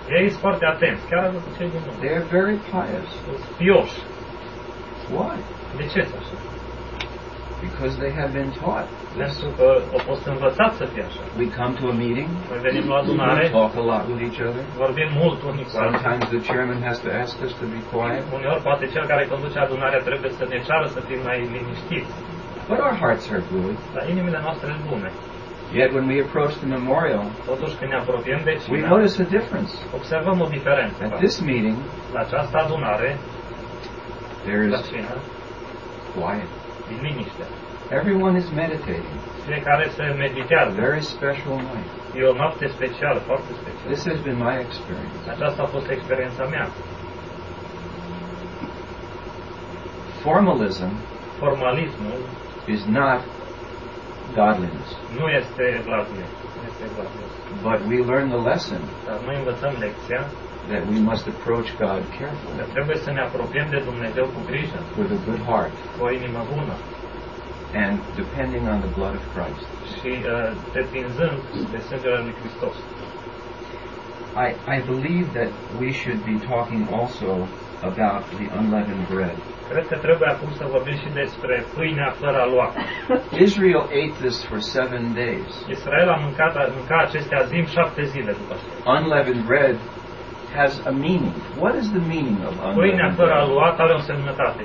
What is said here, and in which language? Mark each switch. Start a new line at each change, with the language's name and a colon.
Romanian: Ei sunt foarte atenți, chiar dacă cei din lume.
English: They are very pious.
Romanian: Pioși.
English: Why?
Romanian: De ce așa?
English: Because they have been taught.
Romanian: Pentru că au fost învățați să fie așa.
English: We come to a meeting.
Romanian: Venim la adunare.
English: We talk a lot with each other.
Romanian: Vorbim mult unii cu alții.
English: Sometimes the chairman has to ask us to be quiet.
Romanian: Uneori poate cel care conduce adunarea trebuie să ne ceară să fim mai liniștiți.
English: But our hearts are good.
Romanian: Dar inimile noastre sunt bune.
English: Yet when we approach the memorial,
Romanian: totuși când ne apropiem de cină,
English: we notice a difference.
Romanian: Observăm o diferență.
English: At this meeting,
Romanian: la această adunare,
English: there is
Romanian: la cină,
English: quiet.
Romanian: Liniște.
English: Everyone is meditating.
Romanian: Fiecare se meditează.
English: Very special night.
Romanian: E o noapte specială, foarte specială.
English: This has been my experience.
Romanian: Aceasta a fost experiența mea.
English: Formalism,
Romanian: formalismul,
English: is not godliness.
Romanian: Nu este evlavie. Este evlavie.
English: But we learn the lesson.
Romanian: Dar noi învățăm lecția.
English: That we must approach God carefully.
Romanian: Dar trebuie să ne apropiem de Dumnezeu cu grijă.
English: With a good heart.
Romanian: Cu o inimă bună.
English: And depending on the blood of Christ.
Romanian: Și depinzând de sângele lui Hristos.
English: I believe that we should be talking also about the unleavened bread.
Romanian: Cred că trebuie acum să vorbim și despre pâinea fără aluat.
English: Israel ate this for 7 days.
Romanian: Israel a mâncat acestea azim 7 zile după aceea.
English: Unleavened bread has a meaning. What is the meaning of unleavened bread?
Romanian: Pâinea fără aluat are o semnătate.